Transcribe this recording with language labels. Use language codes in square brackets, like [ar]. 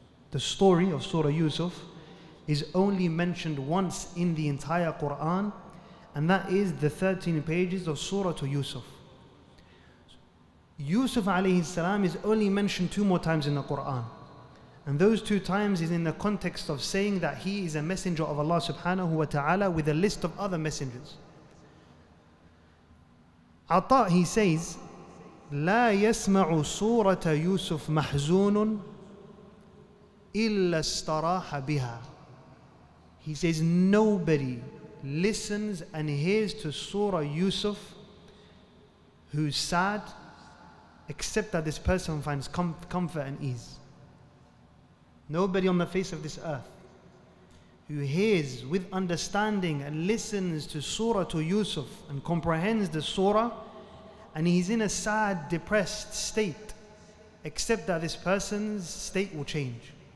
[en] The story of Surah Yusuf is only mentioned once in the entire Quran, and that is the 13 pages of Surah Yusuf. Yusuf alayhi salam is only mentioned two more times in the Quran. And those two times is in the context of saying that he is a messenger of Allah subhanahu wa ta'ala with a list of other messengers. [ar] Atta, [en] he says, [ar] لا يسمع سورة يوسف محزون إلا استراح بها. [en] He says, nobody listens and hears to Surah Yusuf who's sad, except that this person finds comfort and ease. Nobody on the face of this earth who hears with understanding and listens to Surah Yusuf and comprehends the Surah, and he's in a sad, depressed state, except that this person's state will change.